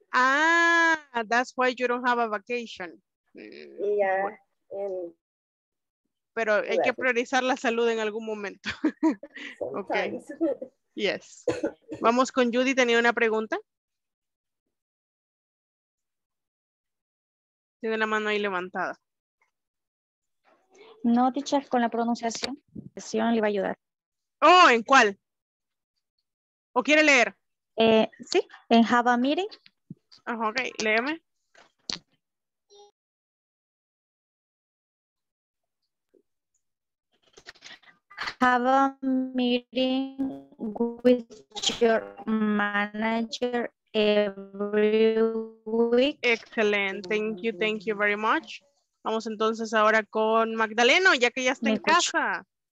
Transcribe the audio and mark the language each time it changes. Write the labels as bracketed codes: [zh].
[en] Ah, that's why you don't have a vacation. Yeah. Bueno. [es] Pero hay que priorizar la salud en algún momento. [en] Okay. [es] Yes. Vamos con Judy, ¿tenía una pregunta? Tiene la mano ahí levantada. No, teacher, con la pronunciación. Sí, no le va a ayudar. Oh, ¿en cuál? ¿O quiere leer? Sí, en [en] Have a Meeting. [es] Oh, ok, léeme. [en] Have a meeting with your manager every week. Excellent, thank you very much. [es] Vamos entonces ahora con Magdaleno, ya que ya está casa.